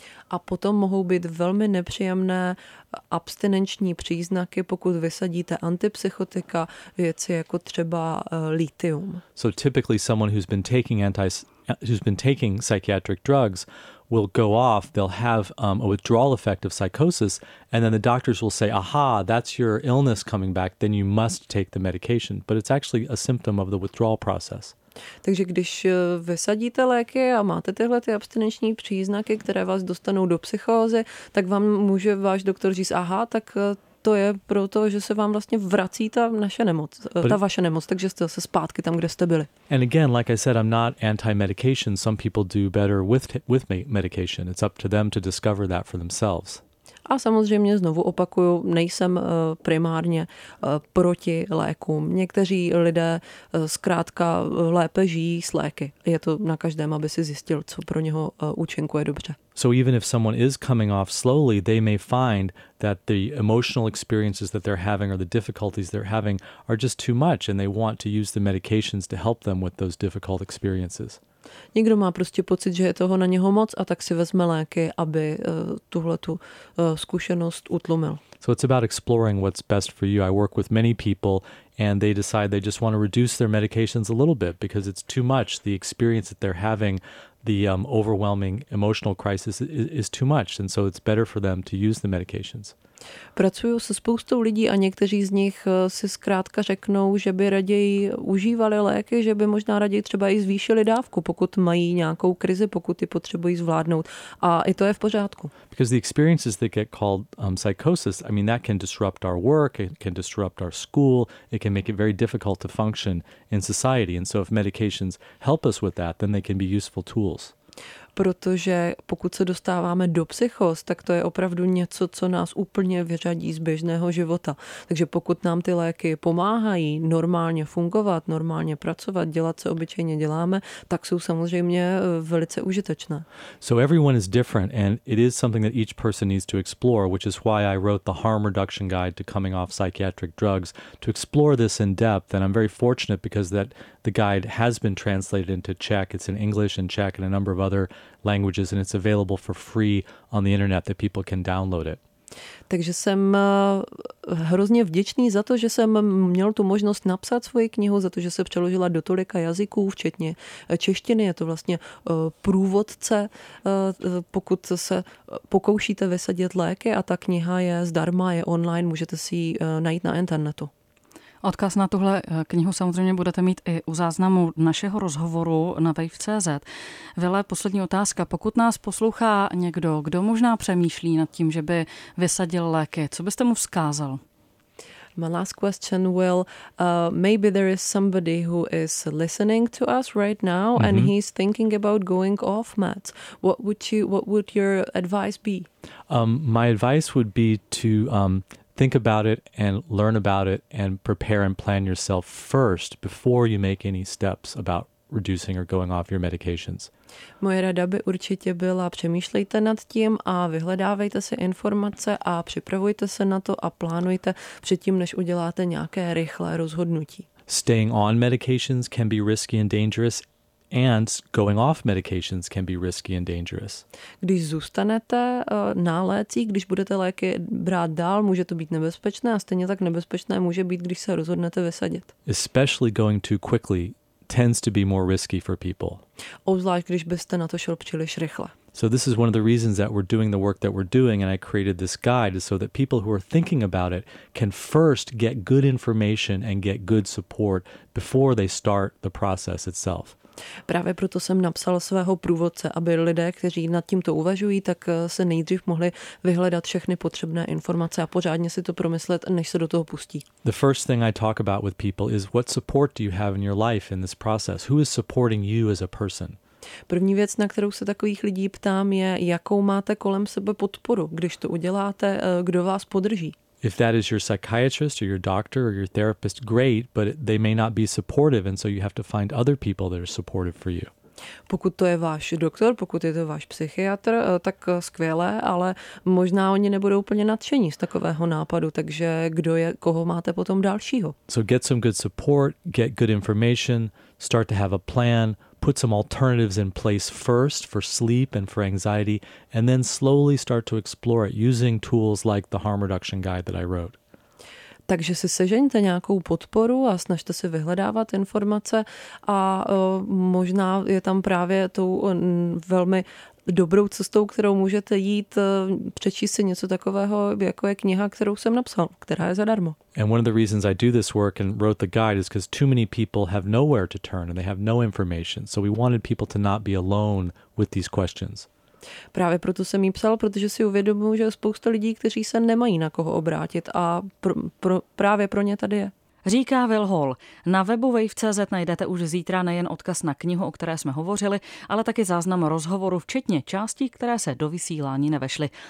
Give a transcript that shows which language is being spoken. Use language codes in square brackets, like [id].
[cs] A potom mohou být velmi nepříjemné abstinenční příznaky, pokud vysadíte antipsychotika, věci jako třeba lithium. [en] So typically someone who's been taking psychiatric drugs will go off, they'll have a withdrawal effect of psychosis, and then the doctors will say, aha, that's your illness coming back, then you must take the medication. But it's actually a symptom of the withdrawal process. [cs] Takže když vysadíte léky a máte tyhle ty abstinenční příznaky, které vás dostanou do psychózy, tak vám může váš doktor říct, aha, tak to je proto, že se vám vlastně vrací ta naše nemoc, ta vaše nemoc, takže jste se zpátky tam, kde jste byli. [en] And again, like I said, I'm not anti-medication. Some people do better with medication. It's up to them to discover that for themselves. [cs] A samozřejmě znovu opakuju, nejsem primárně proti lékům. Někteří lidé zkrátka lépe žijí s léky. Je to na každém, aby si zjistil, co pro něho účinkuje dobře. [en] So even if someone is coming off slowly, they may find that the emotional experiences that they're having or the difficulties they're having are just too much and they want to use the medications to help them with those difficult experiences. [cs] Někdo má prostě pocit, že je toho na něho moc a tak si vezme léky, aby tuhletu zkušenost utlumil. [en] So it's about exploring what's best for you. I work with many people and they decide they just want to reduce their medications a little bit because it's too much. The experience that they're having, the overwhelming emotional crisis is too much. And so it's better for them to use the medications. [cs] Pracuju se spoustou lidí a někteří z nich si zkrátka řeknou, že by raději užívali léky, že by možná raději třeba i zvýšili dávku, pokud mají nějakou krizi, pokud ji potřebují zvládnout. A i to je v pořádku. [en] Because the experiences that get called psychosis, I mean, that can disrupt our work, it can disrupt our school, it can make it very difficult to function in society. And so if medications help us with that, then they can be useful tools. [cs] Protože pokud se dostáváme do psychóz, tak to je opravdu něco, co nás úplně vyřadí z běžného života. Takže pokud nám ty léky pomáhají normálně fungovat, normálně pracovat, dělat, co obyčejně děláme, tak jsou samozřejmě velice užitečné. [en] So everyone is different and it is something that each person needs to explore, which is why I wrote the Harm Reduction Guide to Coming Off Psychiatric Drugs, to explore this in depth, and I'm very fortunate because that the guide has been translated into Czech. It's in English and Czech and a number of other languages and it's available for free on the internet that people can download it. [cs] Takže jsem hrozně vděčný za to, že jsem měl tu možnost napsat svoji knihu, za to, že se přeložila do tolika jazyků, včetně češtiny. Je to vlastně průvodce, pokud se pokoušíte vysadit léky a ta kniha je zdarma, je online, můžete si ji najít na internetu. Odkaz na tuhle knihu samozřejmě budete mít i u záznamu našeho rozhovoru na wave.cz. Vile, poslední otázka. Pokud nás poslouchá někdo, kdo možná přemýšlí nad tím, že by vysadil léky, co byste mu vzkázal? [en] My last question, Will. Maybe there is somebody who is listening to us right now and he's thinking about going off meds. What would your advice be? My advice would be to think about it and learn about it and prepare and plan yourself first before you make any steps about reducing or going off your medications. [cs] Moje rada by určitě byla, přemýšlejte nad tím a vyhledávejte si informace a připravujte se na to a plánujte předtím, než uděláte nějaké rychlé rozhodnutí. [en] Staying on medications can be risky and dangerous. And going off medications can be risky and dangerous. [cs] Když zůstanete na lécích, když budete léky brát dál, může to být nebezpečné a stejně tak nebezpečné může být, když se rozhodnete vysadit. [en] Especially going too quickly tends to be more risky for people. [cs] Obzvlášť, když byste na to šel příliš rychle. [en] So this is one of the reasons that we're doing the work that we're doing, and I created this guide so that people who are thinking about it can first get good information and get good support before they start the process itself. [cs] Právě proto jsem napsal svého průvodce, aby lidé, kteří nad tímto uvažují, tak se nejdřív mohli vyhledat všechny potřebné informace a pořádně si to promyslet, než se do toho pustí. [en] The first thing I talk about with people is what support do you have in your life in this process? Who is supporting you as a person? [cs] První věc, na kterou se takových lidí ptám, je, jakou máte kolem sebe podporu, když to uděláte, kdo vás podrží. [en] If that is your psychiatrist or your doctor or your therapist, great, but they may not be supportive, and so you have to find other people that are supportive for you. [cs] Pokud to je váš doktor, pokud je to váš psychiatr, tak skvělé, ale možná oni nebudou úplně nadšení z takového nápadu, takže kdo je, koho máte potom dalšího? [en] So get some good support, get good information, start to have a plan, put some alternatives in place first for sleep and for anxiety, and then slowly start to explore it using tools like the harm reduction guide that I wrote. [cs] Takže si sežeňte nějakou podporu a snažte se vyhledávat informace a možná je tam právě tou velmi dobrou cestou, kterou můžete jít, přečíst si něco takového, jako je kniha, kterou jsem napsal, která je zadarmo. [en] And one of the reasons I do this work and wrote the guide is because too many people have nowhere to turn and they have no information. So we wanted people to not be alone with these questions. [cs] Právě proto jsem jí psal, protože si uvědomuji, že je spousta lidí, kteří se nemají na koho obrátit a právě pro ně tady je. Říká Will Hall. Na webu wave.cz najdete už zítra nejen odkaz na knihu, o které jsme hovořili, ale taky záznam rozhovoru, včetně částí, které se do vysílání nevešly.